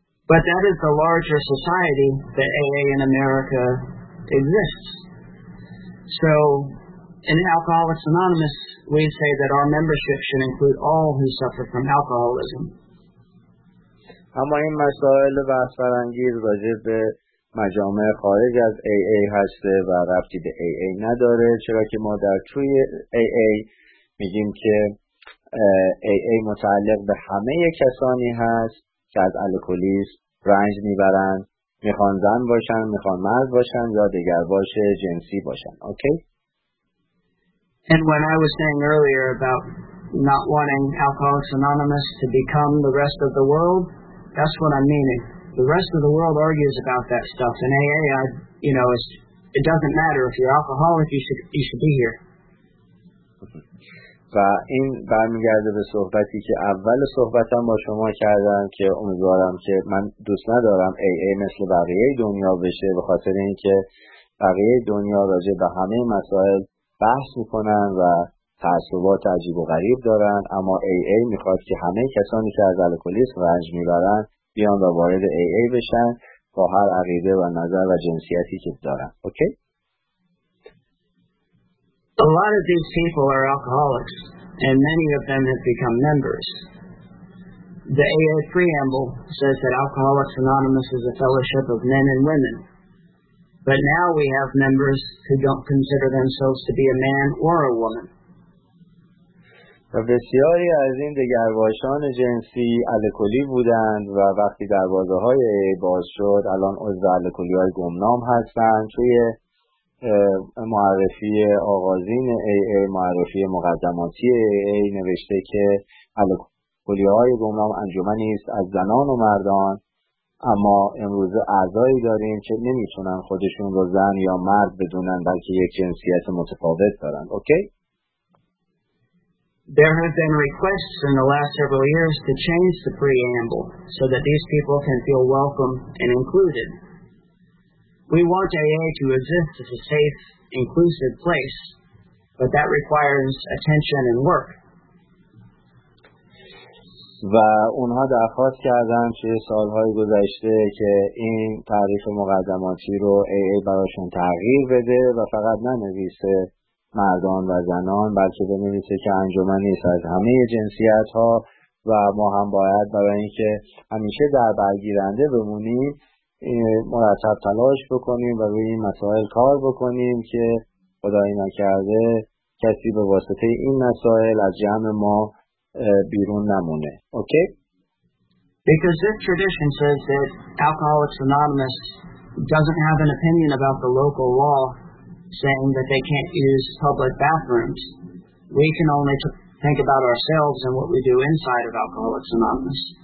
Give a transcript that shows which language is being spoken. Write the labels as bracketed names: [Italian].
[English] But that is the larger society that AA in America exists. So in Alcoholics Anonymous, we say that our membership should include all who suffer from alcoholism. [Persian] اما این مسائل بحث‌برانگیز راجع به مجامع خارج از AA هست و ربطی به AA نداره، چرا که ما در توی AA میگیم که AA متعلق به همه کسانی هست که از الکلیسم رنج میبرن، میخوان زن باشن، میخوان مرد باشن یا دیگر باشه جنسی باشن. [English] Okay? And when I was saying earlier about not wanting Alcoholics Anonymous to become the rest of the world, that's what I'm meaning. The rest of the world argues about that stuff. And AA, it doesn't matter if you're alcoholic, you should be here. [Persian] و این برمیگرده به صحبتی که اول صحبتم با شما کردم که امیدوارم که من دوست ندارم AA مثل بقیه دنیا بشه، به خاطر اینکه بقیه دنیا راجع به همه مسائل بحث میکنن و تعصبات عجیب و غریب دارن، اما AA میخواد که همه کسانی که از الکلیسم رنج میبرن بیان و وارد AA بشن با هر عقیده و نظر و جنسیتی که دارن. [English] Okay? A lot of these people are alcoholics, and many of them have become members. The AA preamble says that Alcoholics Anonymous is a fellowship of men and women. But now we have members who don't consider themselves to be a man or a woman. [Persian] بسیاری از این دگرباشان جنسی الکلی بودند و وقتی دروازه های AA باز شد الان عضو الکلی های گمنام هستند. توی معرفی آغازین AA، معرفی مقدماتی AA نوشته که الکلی‌های گمنام انجمنی است از زنان و مردان، اما امروز اعضایی داریم که نمیتونن خودشون رو زن یا مرد بدونن، بلکه یک جنسیت متفاوت دارن. [English] Okay? There have been requests in the last several years to change the preamble so that these people can feel welcome and included. We want AA to exist as a safe, inclusive place, but that requires attention and work. [Persian] و اونها درخواست کردن چه سالهای گذشته که این تعریف مقدماتی رو AA براشون تغییر بده و فقط ننویسه مردان و زنان، بلکه بنویسه که انجمنی است از همه جنسیت ها، و ما هم باید برای اینکه همیشه در برگیرنده بمونیم مرتب تلاش بکنیم و روی این مسائل کار بکنیم که خدایی نکرده کسی به واسطه این مسائل از جمع ما بیرون نمونه. [English] Okay? Because this tradition says that Alcoholics Anonymous doesn't have an opinion about the local law saying that they can't use public bathrooms. We can only think about ourselves and what we do inside of Alcoholics Anonymous.